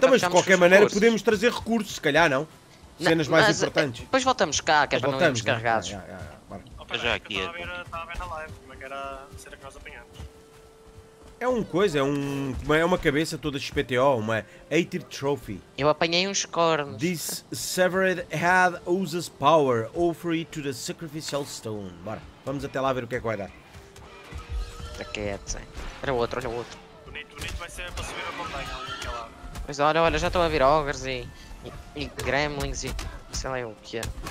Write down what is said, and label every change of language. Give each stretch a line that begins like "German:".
Portuguese: Então, mas de qualquer maneira podemos trazer recursos, se calhar não. Cenas não, mais mas, importantes. Depois voltamos cá, que é para não irmos carregados. Já aqui. Estava a ver na live, como é que era a cena que nós apanhámos. É um coisa, é uma cabeça toda XPTO, uma Aether Trophy. Eu apanhei uns cornos.
English: This severed head uses power, offer it to the sacrificial stone.
Portuguese: Bora, vamos até lá ver o que é que vai dar. Está quieto, hein? Era outro, olha o outro. Bonito vai ser para subir a montanha ali naquela. Pois olha, já estão a vir ogres e. E gremlins e sei lá o que é.